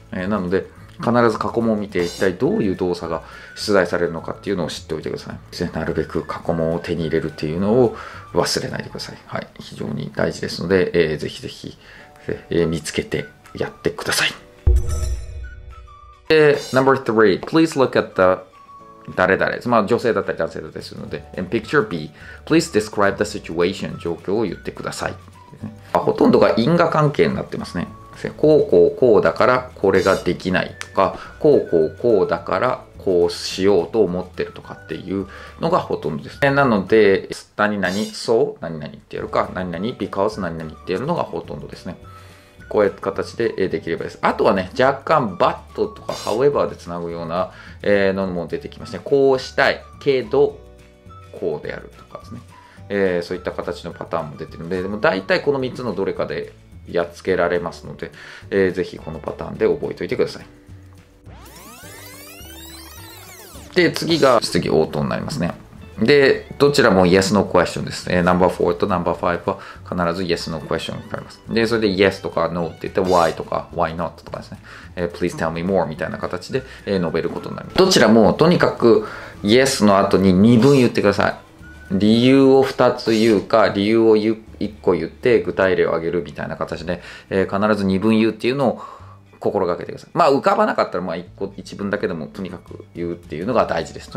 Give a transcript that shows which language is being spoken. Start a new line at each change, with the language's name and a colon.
Japanese: なので必ず過去問を見て一体どういう動作が出題されるのかっていうのを知っておいてください。なるべく過去問を手に入れるっていうのを忘れないでください。はい、非常に大事ですので、ぜひぜひ、見つけてやってください。
English: Number three, please look at the
Japanese: 誰々です。まあ女性だったり男性だったりするので、
English: and picture B, please describe the situation
Japanese: 状況を言ってください。ほとんどが因果関係になってますね。こうこうこうだからこれができないとか、こうこうこうだからこうしようと思ってるとかっていうのがほとんどですね。なので何々そう何々ってやるか、何々 because 何々ってやるのがほとんどですね。こういう形でできればです。あとはね、若干 but とか however でつなぐようなのも出てきましたね。こうしたいけどこうであるとかですね、そういった形のパターンも出てるので、でも大体この3つのどれかでやっつけられますので、ぜひこのパターンで覚えておいてください。で次が質疑応答になりますね。でどちらも Yes No Question です。 No.4 と No.5 は必ず Yes No Question になります。でそれで Yes とか No って言って Why とか Why Not とかですね、
English: Please Tell Me More
Japanese: みたいな形で述べることになります。どちらもとにかく Yes の後に2分言ってください。理由を2つ言うか、理由を1個言って具体例を挙げるみたいな形で、必ず2分言うっていうのを心がけてください。まあ浮かばなかったらまあ1分だけでもとにかく言うっていうのが大事です。